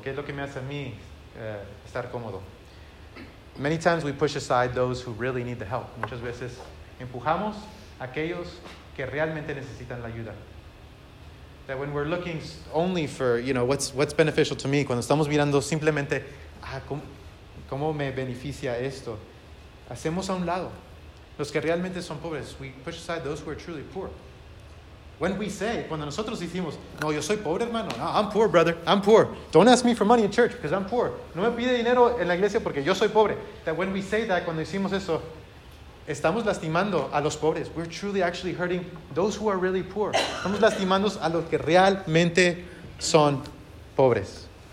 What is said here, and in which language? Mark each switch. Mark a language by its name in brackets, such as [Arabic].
[Spanish] ¿Qué es lo que me hace a mí estar cómodo? [English] Many times we push aside those who really need the help. [Spanish] Muchas veces empujamos a aquellos que realmente necesitan la ayuda. [English] That when we're looking only for, you know, what's beneficial to me, [Spanish] cuando estamos mirando simplemente, ¿cómo me beneficia esto? Hacemos a un lado los que realmente son pobres. [English] We push aside those who are truly poor. When we say, [Spanish] cuando nosotros decimos, no, yo soy pobre, hermano. [English] No, I'm poor, brother. I'm poor. Don't ask me for money in church because I'm poor. [Spanish] No me pide dinero en la iglesia porque yo soy pobre. [English] That when we say that, [Spanish] cuando decimos eso, estamos lastimando a los pobres. [English] We're truly actually hurting those who are really poor. [Spanish] Estamos lastimando a los que realmente son pobres.